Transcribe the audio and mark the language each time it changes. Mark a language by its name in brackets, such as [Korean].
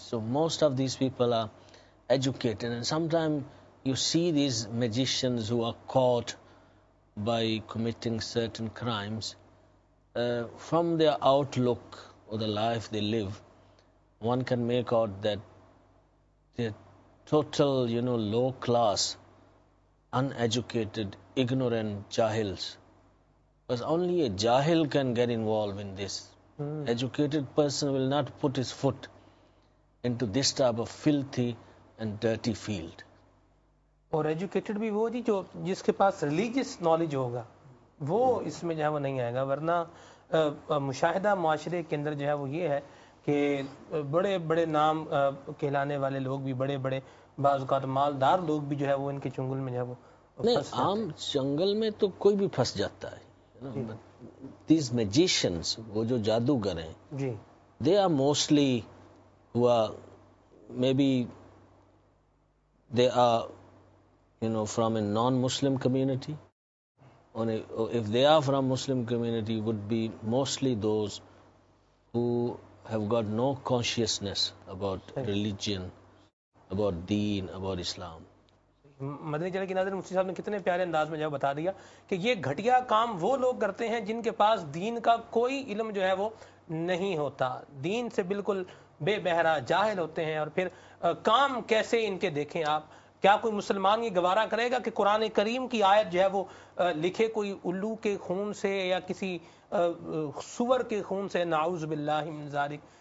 [English] So most of these people are educated. And sometimes you see these magicians who are caught by committing certain crimes from their outlook, or the life they live, one can make out that they're total, you know, low class, uneducated, ignorant jahils. Because only a jahil can get involved in this. Mm. Educated person will not put his foot into this type of filthy and dirty field. [Urdu] Or educated bhi wo ji jo jiske paas religious knowledge hoga, wo isme jo hai wo nahi aayega, warna مشاہدہ معاشرے کے اندر جو ہے وہ یہ ہے کہ بڑے بڑے نام کہلانے والے لوگ بھی بڑے بڑے بعض اوقات مالدار لوگ بھی جو ہے وہ ان کے چنگل میں جو ہے وہ نہیں عام جنگل میں تو کوئی بھی پھنس جاتا ہے [English] these magicians [Urdu] وہ جو جادوگر ہیں جی [English] They are mostly who are maybe they are, you know, from a non-Muslim community, or if they are from Muslim community, would be mostly those who have got no consciousness about religion, about deen, about Islam. [Urdu] مدنی چلے کے ناظرین مفتی صاحب نے کتنے پیارے انداز میں جو بتا دیا کہ یہ گھٹیا کام وہ لوگ کرتے ہیں جن کے پاس دین کا کوئی علم جو ہے وہ نہیں ہوتا, دین سے بالکل بے بہرا جاہل ہوتے ہیں, اور پھر کام کیسے ان کے دیکھیں آپ, کیا کوئی مسلمان یہ گوارا کرے گا کہ قرآن کریم کی آیت جو ہے وہ لکھے کوئی الو کے خون سے یا کسی سور کے خون سے, نعوذ باللہ من ذالک.